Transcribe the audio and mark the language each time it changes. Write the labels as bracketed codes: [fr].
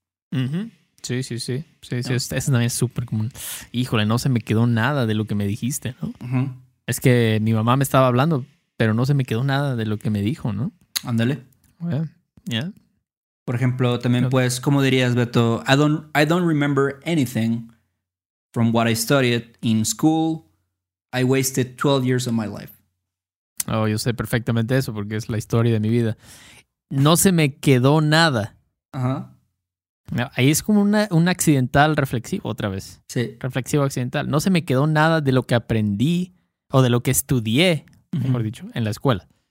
[es] Uh-huh. Sí. Eso este también es súper común. Híjole, no se me quedó nada de lo que me dijiste, ¿no? Uh-huh. Es que mi mamá me estaba hablando, pero no se me quedó nada de lo que me dijo, ¿no? Ándale. [en] Yeah. [es] Por ejemplo, también pues, ¿cómo dirías, Beto? [en] I don't remember anything from what I studied in school. I wasted 12 years of my life. [es] Oh, yo sé perfectamente eso porque es la historia de mi vida. No se me quedó nada. Ajá. Uh-huh. Ahí es como un accidental reflexivo otra vez. Sí. Reflexivo accidental. No se me quedó nada de lo que aprendí o de lo que estudié, uh-huh, mejor dicho, en la escuela.